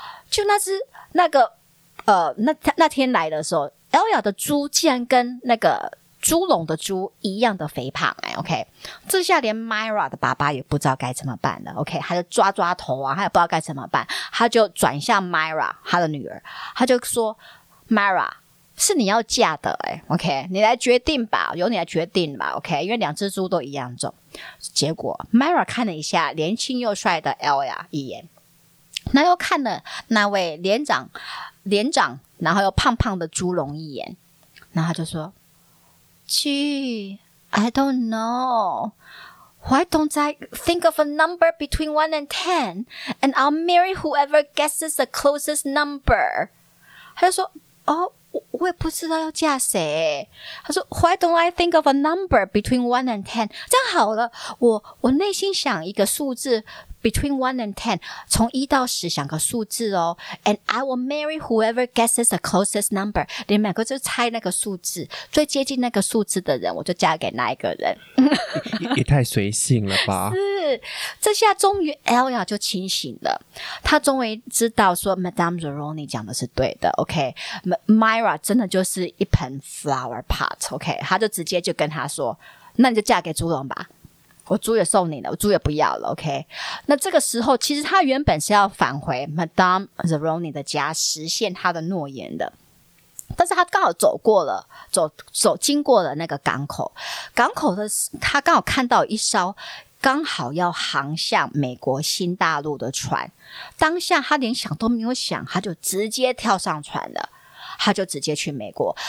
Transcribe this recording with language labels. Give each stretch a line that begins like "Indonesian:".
Chinese: 就那只那个那天来的时候， Elia 的猪竟然跟那个猪笼的猪一样的肥胖、欸、OK， 这下连 Myra 的爸爸也不知道该怎么办了 OK， 他就抓抓头啊，他也不知道该怎么办，他就转向 Myra 他的女儿，他就说 Myra 是你要嫁的、欸、OK， 你来决定吧，由你来决定吧 OK， 因为两只猪都一样重。结果 Myra 看了一下年轻又帅的 Elia 一眼，那又看了那位连长然后又胖胖的猪笼一眼，然后他就说
English: Gee, I don't know. Why don't I think of a number between 1 and 10? And I'll marry whoever guesses the closest number.
Chinese: 他就说、哦、我也不知道要嫁谁。他说
English: Why don't I think of a number between 1 and 10?
Chinese: 这样好了 我内心想一个数字
English: between 1 and 10,
Chinese: 从1到10想个数字哦。
English: And I will marry whoever guesses the closest number.
Chinese: 你们两个就猜那个数字，最接近那个数字的人我就嫁给那一个人。也太随性了吧。是，这下终于 Elia 就清醒了，他终于知道说 Madame Zeroni 讲的是对的。 OK Myra 真的就是一盆 flower pot。 OK 他就直接就跟他说，那你就嫁给朱龙吧，我猪也送你了，我猪也不要了。 OK 那这个时候其实他原本是要返回 Madame Zeroni 的家，实现他的诺言的，但是他刚好走过了，走经过了那个港口，港口的他刚好看到一艘刚好要航向美国新大陆的船，当下他连想都没有想，他就直接跳上船了，他就直接去美国。